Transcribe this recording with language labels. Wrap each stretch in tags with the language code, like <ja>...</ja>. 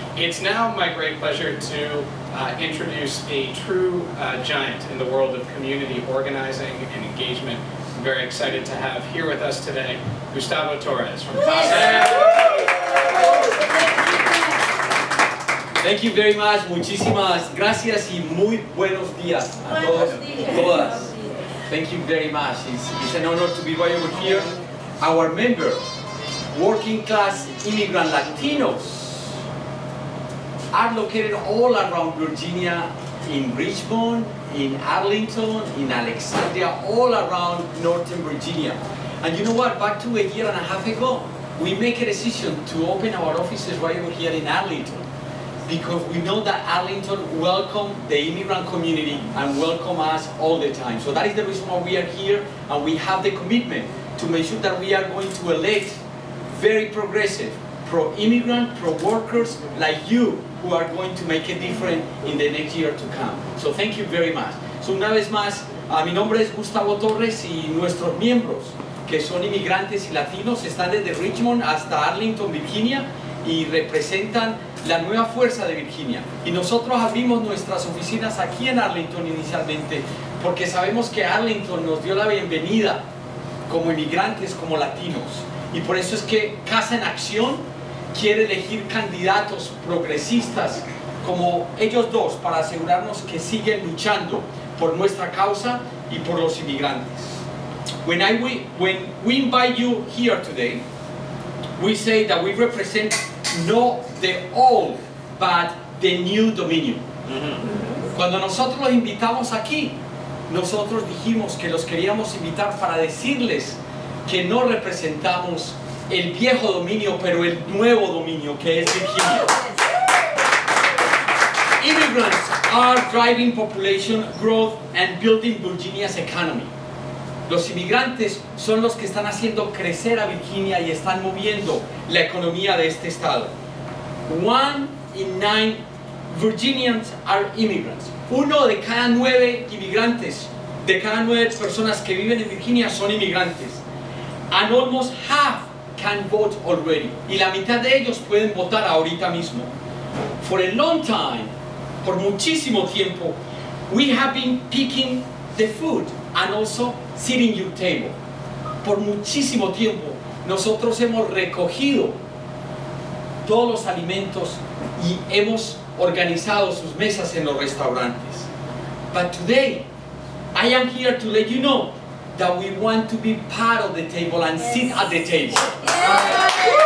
<en>It's now my great pleasure to introduce a true giant in the world of community organizing and engagement. I'm very excited to have here with us today Gustavo Torres from CASA. Thank you very much.</en> <es>Muchísimas gracias y muy buenos días a todos y todas.</es> <en>Thank you very much. It's an honor to be by you here. Our member, working class immigrant Latinos, are located all around Virginia, in Richmond, in Arlington, in Alexandria, all around Northern Virginia. And you know what? Back to a year and a half ago, we make a decision to open our offices right over here in Arlington, because we know that Arlington welcome the immigrant community and welcome us all the time. So that is the reason why we are here, and we have the commitment to make sure that we are going to elect very progressive, pro-immigrant, pro-workers like you, who are going to make a difference in the next year to come. So thank you very much.</en> <es>So una vez más, mi nombre es Gustavo Torres y nuestros miembros, que son inmigrantes y latinos, están desde Richmond hasta Arlington, Virginia, y representan la nueva fuerza de Virginia. Y nosotros abrimos nuestras oficinas aquí en Arlington inicialmente porque sabemos que Arlington nos dio la bienvenida como inmigrantes, como latinos. Y por eso es que Casa en Acción quiere elegir candidatos progresistas como ellos dos para asegurarnos que siguen luchando por nuestra causa y por los inmigrantes.</es> <en>When we invite you here today, we say that we represent not the old, but the new dominion.</en> <es>Cuando nosotros los invitamos aquí, nosotros dijimos que los queríamos invitar para decirles que no representamos el viejo dominio, pero el nuevo dominio, que es Virginia.</es> <en>Immigrants are driving population growth and building Virginia's economy.</en> <es>Los inmigrantes son los que están haciendo crecer a Virginia y están moviendo la economía de este estado.</es> <en>1 in 9 Virginians are immigrants.</en> <es>Uno de cada 9 inmigrantes, de cada 9 personas que viven en Virginia son inmigrantes.</es> <en>And almost half can vote already.</en> <es>Y la mitad de ellos pueden votar ahorita mismo.</es> <en>For a long time,</en> <es>por muchísimo tiempo,</es> <en>we have been picking the food and also sitting your table.</en> <es>Por muchísimo tiempo, nosotros hemos recogido todos los alimentos y hemos organizado sus mesas en los restaurantes.</es> <en>But today, I am here to let you know that we want to be part of the table and sit at the table.</en>